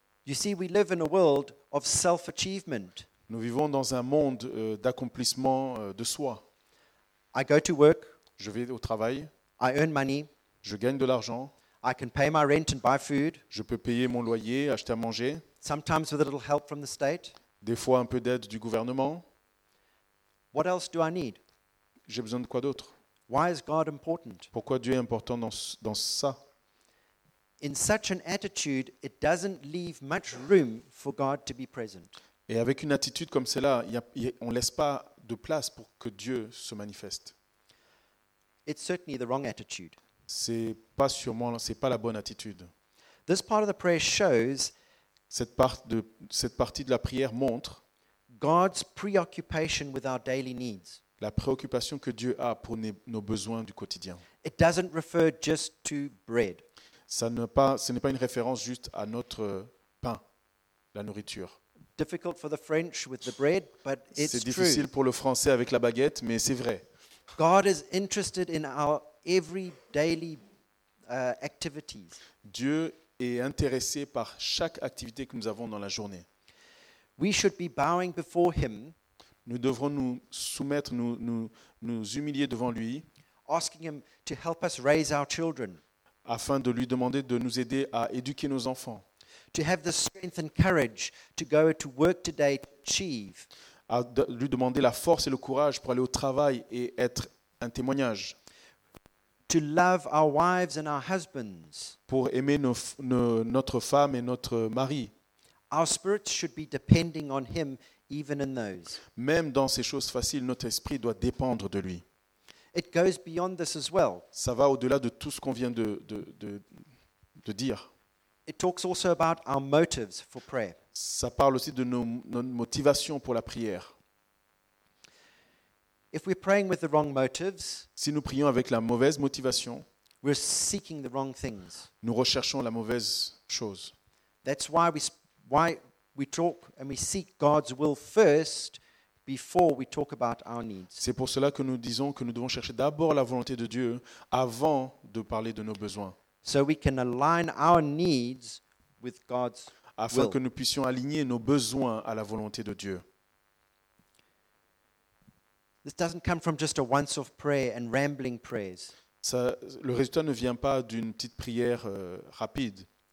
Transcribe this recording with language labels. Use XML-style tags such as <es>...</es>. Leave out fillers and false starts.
<en>You see, we live in a world of self-achievement.</en> <fr>Nous vivons dans un monde d'accomplissement de soi.</fr> <en>I go to work.</en> <fr>Je vais au travail.</fr> <en>I earn money.</en> <fr>Je gagne de l'argent.</fr> <en>I can pay my rent and buy food.</en> <fr>Je peux payer mon loyer, acheter à manger.</fr> <en>Sometimes with a little help from the state.</en> <fr>Des fois, un peu d'aide du gouvernement.</fr> <en>What else do I need?</en> <fr>J'ai besoin de quoi d'autre?</fr> <en>Why is God important?</en> <fr>Pourquoi Dieu est important dans ça?</fr> <en>In such an attitude, it doesn't leave much room for God to be present.</en> <fr>Et avec une attitude comme celle-là, on laisse pas de place pour que Dieu se manifeste.</fr> <en>It's certainly the wrong attitude.</en> <fr>C'est pas la bonne attitude.</fr> <en>This part of the prayer shows.</en> <fr>Cette partie de la prière montre.</fr> <en>God's preoccupation with our daily needs.</en> <fr>La préoccupation que Dieu a pour nos besoins du quotidien.</fr> <en>It doesn't refer just to bread.</en> <fr>Ce n'est pas une référence juste à notre pain, la nourriture.</fr> <en>Difficult for the French with the bread, but it's true.</en> <fr>C'est difficile pour le français avec la baguette, mais c'est vrai.</fr> <en>God is interested in our every daily activities.</en> <fr>Dieu est intéressé par chaque activité que nous avons dans la journée.</fr> <en>We should be bowing before him.</en> <fr>Nous devrons nous soumettre, nous humilier devant lui.</fr> <en>Asking him to help us raise our children.</en> <fr>Afin de lui demander de nous aider à éduquer nos enfants.</fr> <en>To have the strength and courage to go to work today to achieve.</en> <fr>À lui demander la force et le courage pour aller au travail et être un témoignage.</fr> <en>To love our wives and our husbands.</en> <fr>Pour aimer notre femme et notre mari.</fr> <en>Our spirits should be depending on him even in those.</en> <fr>Même dans ces choses faciles, notre esprit doit dépendre de lui.</fr> <en>It goes beyond this as well.</en> <fr>Ça va au-delà de tout ce qu'on vient de dire.</fr> <en>It talks also about our motives for prayer.</en> <fr>Ça parle aussi de nos motivations pour la prière.</fr> <en>If we're praying with the wrong motives,</en> <fr>si nous prions avec la mauvaise motivation,</fr> <en>We're seeking the wrong things.</en> <fr>Nous recherchons la mauvaise chose.</fr> <en>That's why we talk and we seek God's will first before we talk about our needs.</en> <fr>C'est pour cela que nous disons que nous devons chercher d'abord la volonté de Dieu avant de parler de nos besoins.</fr> <en>So we can align our needs with God's will.</en> <fr>Afin que nous puissions aligner nos besoins à la volonté de Dieu.</fr> <en>This doesn't come from just a once-off prayer and rambling prayers.</en> <fr>Ça, le résultat ne vient pas d'une petite prière rapide.</fr>